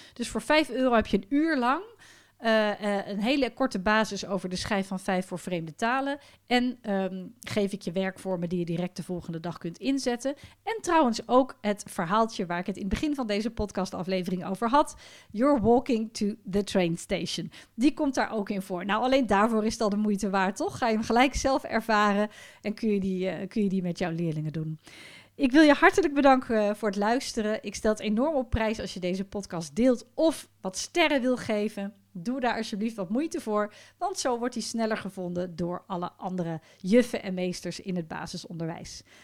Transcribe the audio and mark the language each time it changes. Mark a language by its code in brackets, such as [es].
[nl] Dus voor €5 heb je een uur lang een hele korte basis over de schijf van 5 voor vreemde talen. En geef ik je werkvormen die je direct de volgende dag kunt inzetten. En trouwens ook het verhaaltje waar ik het in het begin van deze podcastaflevering over had. [en] You're walking to the train station. [nl] Die komt daar ook in voor. Nou, alleen daarvoor is dat de moeite waard, toch? Ga je hem gelijk zelf ervaren en kun je die met jouw leerlingen doen. Ik wil je hartelijk bedanken voor het luisteren. Ik stel het enorm op prijs als je deze podcast deelt of wat sterren wil geven. Doe daar alsjeblieft wat moeite voor, want zo wordt hij sneller gevonden door alle andere juffen en meesters in het basisonderwijs.